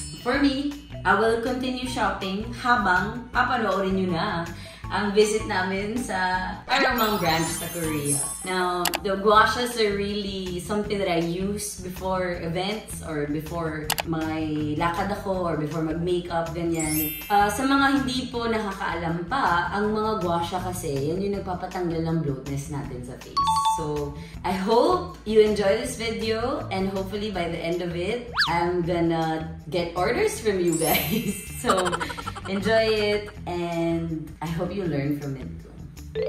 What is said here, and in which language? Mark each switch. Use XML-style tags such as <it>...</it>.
<en>For me, I will continue shopping</en> <tl>habang papanoorin nyo na ang visit namin sa Aramang branch sa Korea.</tl> <en>Now, the guashas are really something that I use before events or before my</en> <tl>lakad ako</tl> <en>or before</en> <tl>mag-makeup, ganyan. Sa mga hindi po nakakaalam pa, ang mga guasha kasi, yan yung nagpapatanggal ng bloatness natin sa face.</tl> <en>So, I hope you enjoy this video and hopefully by the end of it, I'm gonna get orders from you guys. So, enjoy it and I hope you learn from it too.</en>